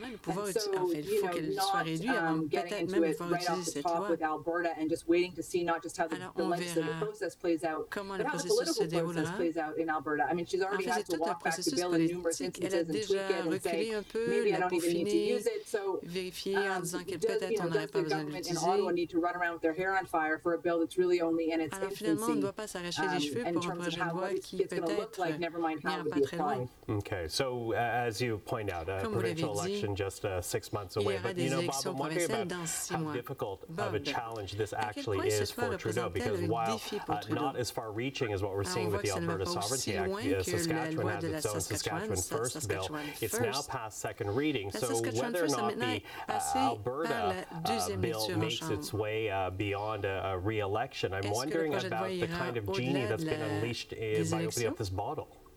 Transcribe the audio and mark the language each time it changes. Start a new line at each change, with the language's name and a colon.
English: And so, you know, not getting into it right off the top with Alberta and just waiting to see not just how the legislative process plays out, but how the political process plays out in Alberta. I mean, she's already had to walk back the bill in numerous instances and tweak it and say, maybe I don't even need to use it. So, does the government in Ottawa need to run around with their hair on fire for a bill that's really only in its infancy?
French: On ne doit pas s'arracher les cheveux pour un projet de loi qui peut-être n'ira pas très loin.
English: Okay, so as you point out, a provincial election just 6 months away. But you know, Bob, I'm wondering about how difficult of a challenge this actually is for Trudeau, because while not as far-reaching as what we're seeing with the Alberta Sovereignty Act, Saskatchewan has its own Saskatchewan First bill. It's now passed second reading. So whether or not the Alberta bill makes its way beyond a re-election, I'm wondering about the kind of genie that's been unleashed by opening up this bottle.